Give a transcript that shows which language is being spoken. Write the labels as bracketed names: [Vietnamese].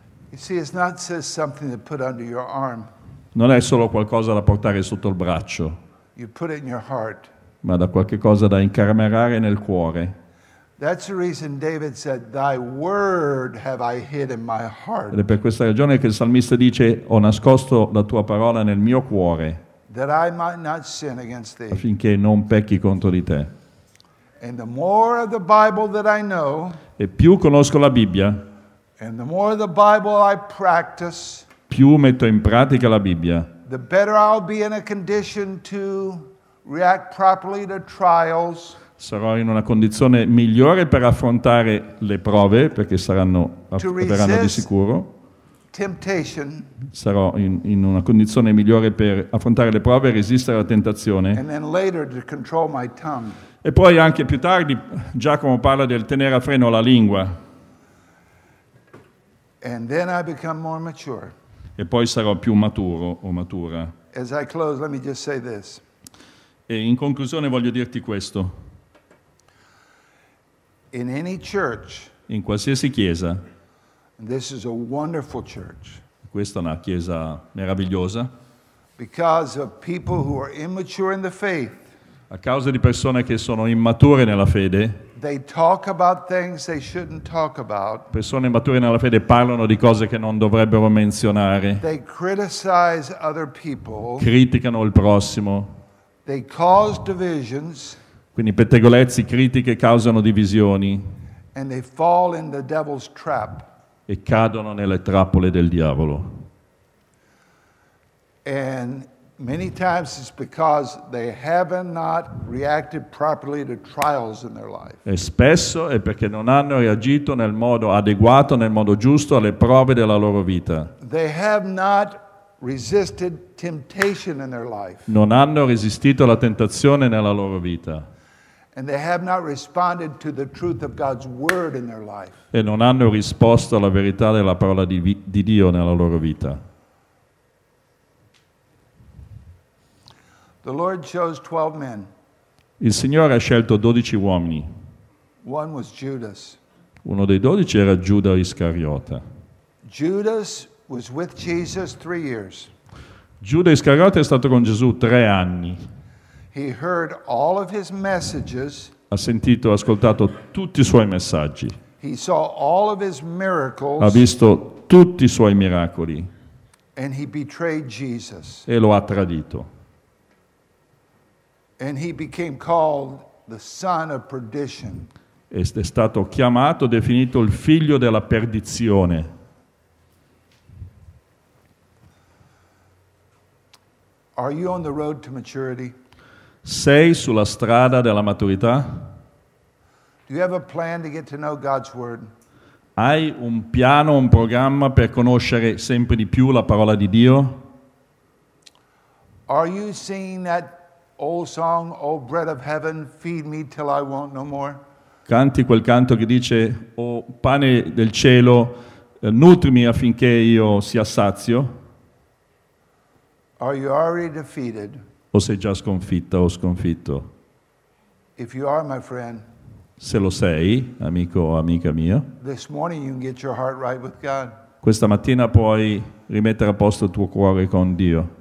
[English] You see, it's not just something to put under your arm. [Italian] Non è solo qualcosa da portare sotto il braccio. [English] You put it in your heart. [Italian] Ma da qualche cosa da incamerare nel cuore. [English] That's the reason David said, "Thy word have I hid in my heart." [Italian] Ed è per questa ragione che il salmista dice, "Ho nascosto la tua parola nel mio cuore." [English] That I might not sin against thee. [Italian] Affinché non pecchi contro di te. [English] And the more of the Bible that I know, [Italian] e più conosco la Bibbia, [English] and the more of the Bible I practice, [Italian] più metto in pratica la Bibbia, [English] the better I'll be in a condition to react properly to trials. [Italian] Sarò in una condizione migliore per affrontare le prove, perché saranno verranno di sicuro. [English] Temptation. [Italian] Sarò in una condizione migliore per affrontare le prove e resistere alla tentazione. [English] And then later to control my tongue. [Italian] E poi anche più tardi Giacomo parla del tenere a freno la lingua. [English] And then I become more mature. [Italian] E poi sarò più maturo o matura. [English] As I close, let me just say this. [Italian] E in conclusione voglio dirti questo. [English] In any church, [Italian] in qualsiasi chiesa, [English] this is a wonderful church. [Italian] Questa è una chiesa meravigliosa. [English] Because of people who are immature in the faith. [Italian] A causa di persone che sono immature nella fede. [English] They talk about things they shouldn't talk about. [Italian] Persone immature nella fede parlano di cose che non dovrebbero menzionare. [English] They criticize other people. [Italian] Criticano il prossimo. [English] They cause divisions. [Italian] Quindi pettegolezzi, critiche causano divisioni. [English] And they fall in the devil's trap. [Italian] E cadono nelle trappole del diavolo. [English] And many times it's because they have not reacted properly to trials in their life. [Italian] E spesso è perché non hanno reagito nel modo adeguato, nel modo giusto alle prove della loro vita. [English] They have not resisted temptation in their life. [Italian] Non hanno resistito alla tentazione nella loro vita. [English] And they have not responded to the truth of God's word in their life. [Italian] E non hanno risposto alla verità della parola di Dio nella loro vita. [English] The Lord chose 12 men. [Italian] Il Signore ha scelto 12 uomini. [English] One was Judas. [Italian] Uno dei 12 era Giuda Iscariota. [English] Judas was with Jesus 3 years. [Italian] Giuda Iscariota è stato con Gesù 3 anni. [English] He heard all of his messages. [Italian] Ha sentito, ha ascoltato tutti i suoi messaggi. [English] He saw all of his miracles. [Italian] Ha visto tutti i suoi miracoli. [English] And he betrayed Jesus. [Italian] E lo ha tradito. [English] And he became called the son of perdition. [Italian] È stato chiamato, definito il figlio della perdizione. [English] Are you on the road to maturity? [Italian] Sei sulla strada della maturità? [English] Do you have a plan to get to know God's word? [Italian] Hai un piano, un programma per conoscere sempre di più la parola di Dio? [English] Are you singing that old song, "O bread of heaven, feed me till I want no more"? [Italian] Canti quel canto che dice, "O pane del cielo, nutrimi affinché io sia sazio"? [English] Are you already defeated? [Italian] O sei già sconfitta o sconfitto? [English] If you are, my friend, [Italian] Se lo sei, amico o amica mia, [English] this morning you can get your heart right with God. [Italian] Questa mattina puoi rimettere a posto il tuo cuore con Dio.